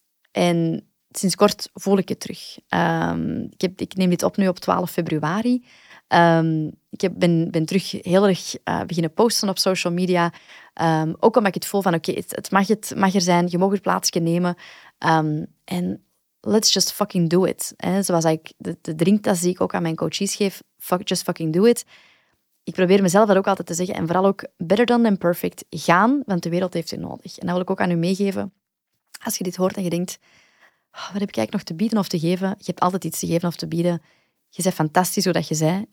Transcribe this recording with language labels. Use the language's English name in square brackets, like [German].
[Dutch] En sinds kort voel ik het terug. Ik neem dit op nu op 12 februari. Ik ben terug heel erg beginnen posten op social media. Ook omdat ik het voel van, oké, het mag er zijn. Je mag het plaatsje nemen. [English] En let's just fucking do it. [Dutch] Hè. Zoals ik de drinktas die ik ook aan mijn coaches geef, [English] just fucking do it. [Dutch] Ik probeer mezelf dat ook altijd te zeggen. En vooral ook, [English] better done than perfect, [Dutch] gaan, want de wereld heeft het nodig. En dat wil ik ook aan u meegeven. Als je dit hoort en je denkt, oh, wat heb ik eigenlijk nog te bieden of te geven? Je hebt altijd iets te geven of te bieden. Je bent fantastisch hoe dat je zei.